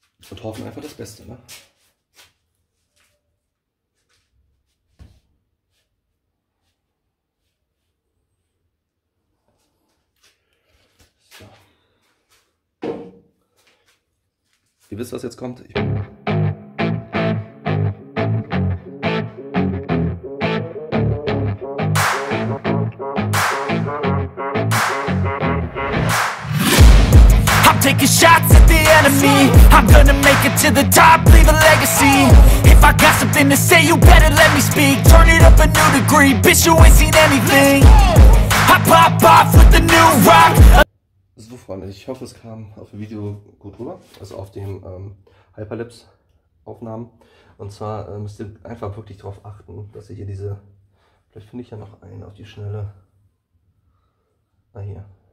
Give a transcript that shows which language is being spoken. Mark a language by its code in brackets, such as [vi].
[de] Und hoffen einfach das Beste, ne? Ihr wisst, was jetzt kommt. [en] I'm taking shots at the enemy. I'm gonna make it to the top, leave a legacy. If I got something to say, you better let me speak. Turn it up a new degree, bitch, you ain't seen anything. I pop off with the new rock. [de] So, Freunde, ich hoffe, es kam auf dem Video gut rüber, also auf den Hyperlapse-Aufnahmen. Und zwar müsst ihr einfach wirklich darauf achten, dass ihr hier diese. Vielleicht finde ich ja noch einen auf die Schnelle. Ah, hier.